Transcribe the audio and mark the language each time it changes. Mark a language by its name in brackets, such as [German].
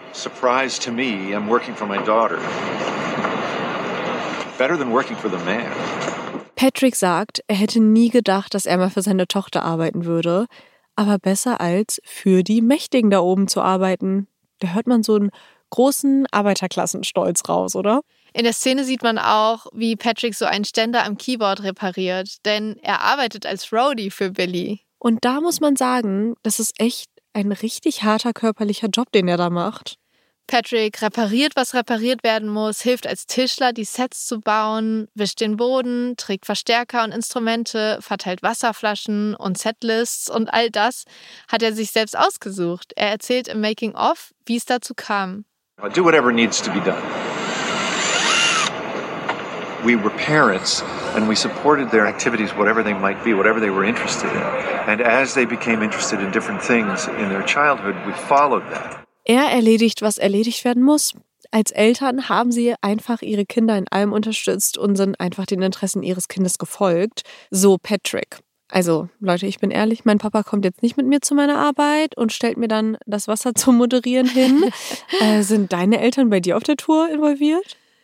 [English] Surprise to me, I'm working for my daughter. Better than working for the man. [German] Patrick sagt, er hätte nie gedacht, dass er mal für seine Tochter arbeiten würde, aber besser als für die Mächtigen da oben zu arbeiten. Da hört man so einen großen Arbeiterklassenstolz raus, oder? In der Szene sieht man auch, wie Patrick so einen Ständer am Keyboard repariert, denn er arbeitet als Roadie für Billy. Und da muss man sagen, das ist echt ein richtig harter körperlicher Job, den er da macht. Patrick repariert, was repariert werden muss, hilft als Tischler, die Sets zu bauen, wischt den Boden, trägt Verstärker und Instrumente, verteilt Wasserflaschen und Setlists und all das hat er sich selbst ausgesucht. Er erzählt im Making-of, wie es dazu kam. [English] I'll do whatever needs to be done. We were parents and we supported their activities, whatever they might be, whatever they were interested in. And as they became interested in different things in their childhood, we followed that. [German] Er erledigt, was erledigt werden muss. Als Eltern haben sie einfach ihre Kinder in allem unterstützt und sind einfach den Interessen ihres Kindes gefolgt. So Patrick. Also Leute, ich bin ehrlich, mein Papa kommt jetzt nicht mit mir zu meiner Arbeit und stellt mir dann das Wasser zum Moderieren hin. Sind deine Eltern bei dir auf der Tour involviert?